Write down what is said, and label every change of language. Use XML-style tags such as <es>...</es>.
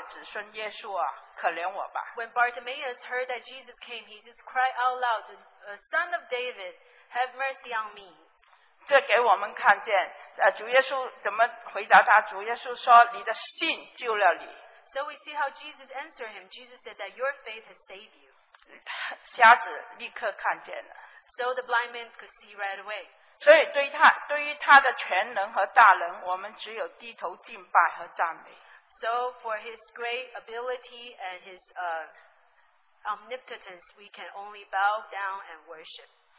<zh>巴迪买因为听见耶稣，他就大声喊着说：“大卫的子孙耶稣啊，可怜我吧！”</zh> <en>When Bartimaeus heard that Jesus came, he just cried out loud, "Son of David, have mercy on me."</en> <zh>这给我们看见，主耶稣怎么回答他？主耶稣说：“你的信救了你。”</zh> <en>So we see how Jesus answered him. Jesus said that your faith has saved you.</en> <zh>瞎子立刻看见了。</zh> <en>So the blind man could see right away.</en> <zh>所以对于他的全能和大能，我们只有低头敬拜和赞美。</zh> <en>So for his great ability and his omnipotence, we can only bow down and worship.</en>